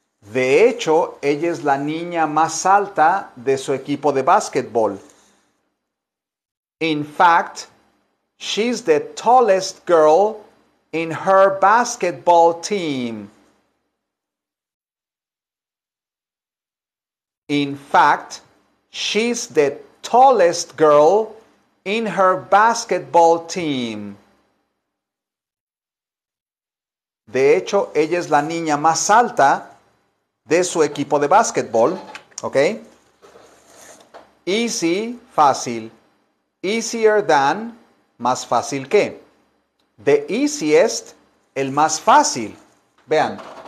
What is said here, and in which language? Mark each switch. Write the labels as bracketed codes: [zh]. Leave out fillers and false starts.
[es] De hecho, ella es la niña más alta de su equipo de basketball. [en] In fact, she's the tallest girl in her basketball team. In fact, she's the tallest girl in her basketball team. [es] De hecho, ella es la niña más alta de su equipo de básquetbol. ¿Ok? Easy, fácil. [en] Easier than, [es] más fácil que. [en] The easiest, [es] el más fácil. Vean.